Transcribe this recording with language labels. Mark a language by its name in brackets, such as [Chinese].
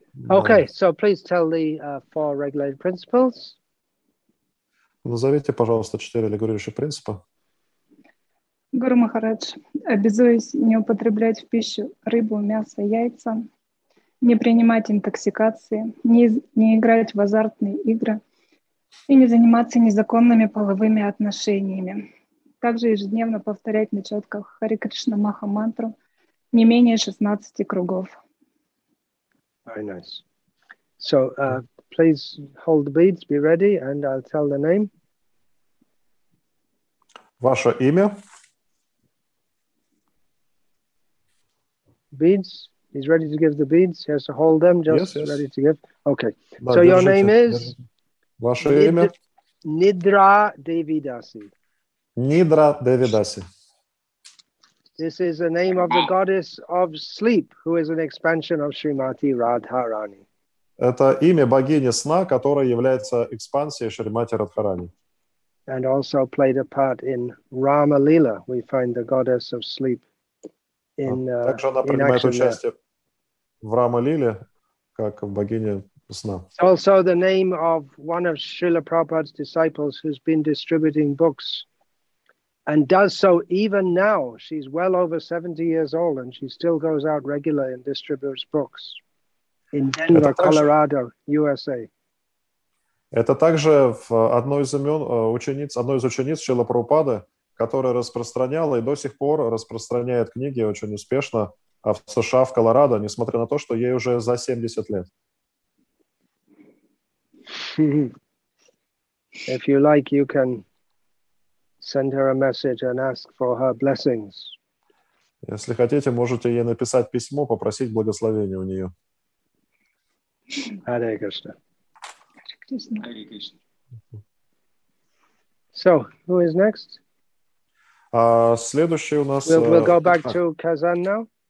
[English] Okay, so please tell the four regulated principles. [Russian] Назовите, пожалуйста, четыре регулирующих принципа. Гуру Махарадж, обязуюсь не употреблять в пищу рыбу, мясо, яйца, не принимать интоксикации, не играть в азартные игры и не заниматься незаконными половыми отношениями. Также ежедневно повторять на четках Хари Кришна Маха мантру не менее 16 кругов. [English] Very nice. So please hold the beads, be ready, and I'll tell the name. [Russian] Ваше имя. [English] Beads. He's ready to give the beads. He has to hold them, ready to give. Okay. [Russian] Да, [English] so [Russian] держите. [English] Your name is? [Russian] Ваше имя. [English] Nidra Devidasi. Nidra Devidasi. This is the name of the goddess of sleep, who is an expansion of Srimati Radharani. [Russian] Это имя богини сна, которая является экспансией Шримати Радхарани. [English] And also played a part in Rama Lila. We find the goddess of sleep in [Russian] Также она принимает участие в Рама Лиле как богиня сна. [English] It's also the name of one of Srila Prabhupada's disciples who's been distributing books. And does so even now. She's well over 70 years old, and she still goes out regularly and distributes books in Denver, Colorado, USA. [Russian] Это также одной из учениц Шрилы Прабхупады, которая распространяла и до сих пор распространяет книги очень успешно в США, в Колорадо, несмотря на то, что ей уже за 70 лет. [English] If you like, you can send her a message and ask for her blessings. [Russian] Если хотите, можете ей написать письмо, попросить благословения у нее. [English] Hare Krishna. Hare Krishna. So, who is next? [Russian] Следующий у нас... [English] We'll go back to Kazan now.